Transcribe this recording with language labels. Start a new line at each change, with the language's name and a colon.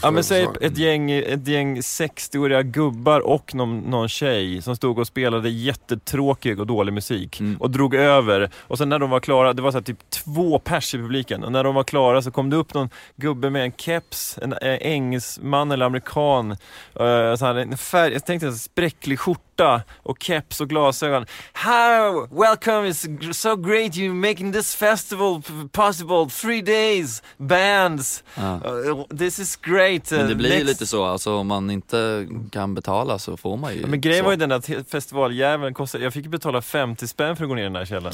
Swedish: Ja, men säg ett gäng 60-åriga gubbar och någon tjej som stod och spelade jättetråkig och dålig musik och drog över. Och sen när de var klara, det var så här typ 2 pers i publiken, och när de var klara så kom det upp någon gubbe med en keps, en engelsman eller amerikan, så här, en färg, jag tänkte en spräcklig skjorta och keps och glasögon.
English: How welcome, it's so great you making this festival possible, 3 days bands.
Swedish: Ja.
English: This is great.
Swedish: Men det blir ju lite så, alltså, om man inte kan betala så får man ju. Men grejen var ju den att festivaljäveln kostade, jag fick betala 50 spänn för att gå ner i den här källan.